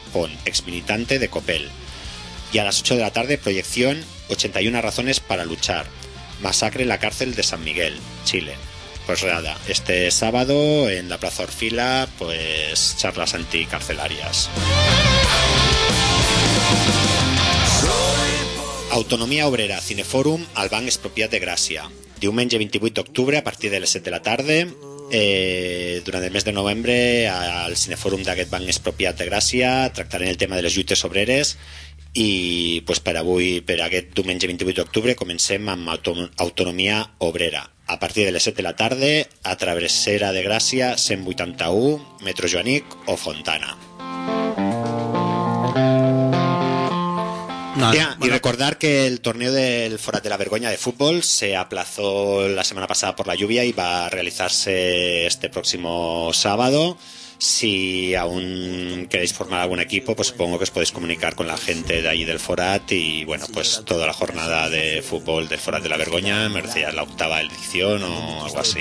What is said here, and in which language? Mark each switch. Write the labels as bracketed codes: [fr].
[es] Japón, ex militante de Copel. Y a las 8 de la tarde, proyección 81 razones para luchar. Masacre en la cárcel de San Miguel, Chile. Pues nada, este sábado en la Plaza Orfila, pues charlas anticarcelarias. [ca] Autonomía Obrera, Cineforum, Albán Expropiat de Gràcia. Diumenge 28 d'octubre a partir de les 7 de la tarda. Durant el mes de novembre al Cineforum d'aquest Banc Expropiat de Gràcia tractaran el tema de les lluites obreres i pues, per avui, per aquest diumenge 28 d'octubre comencem amb Autonomia Obrera a partir de les 7 de la tarda a Travessera de Gràcia 181, Metro Joanic o Fontana. [es] Y recordar que el torneo del Forat de la Vergüenza de fútbol se aplazó la semana pasada por la lluvia y va a realizarse este próximo sábado. Si aún queréis formar algún equipo, pues supongo que os podéis comunicar con la gente de allí del Forat y bueno, pues toda la jornada de fútbol del Forat de la Vergüenza merecía la octava edición o algo así.